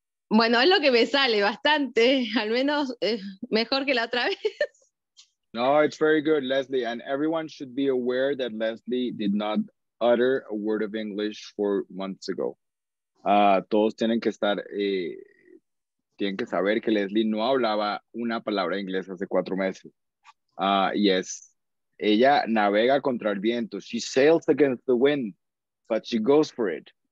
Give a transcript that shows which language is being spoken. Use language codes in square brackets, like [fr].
[es] bueno, es lo que me sale bastante, al menos mejor que la otra vez. [en] No, it's very good, Leslie. And everyone should be aware that Leslie did not utter a word of English 4 months ago. [es] Todos tienen que estar, tienen que saber que Leslie no hablaba una palabra de inglés hace 4 meses. [en] Yes. [es] Ella navega contra el viento. [en] She sails against the wind, but she goes for it.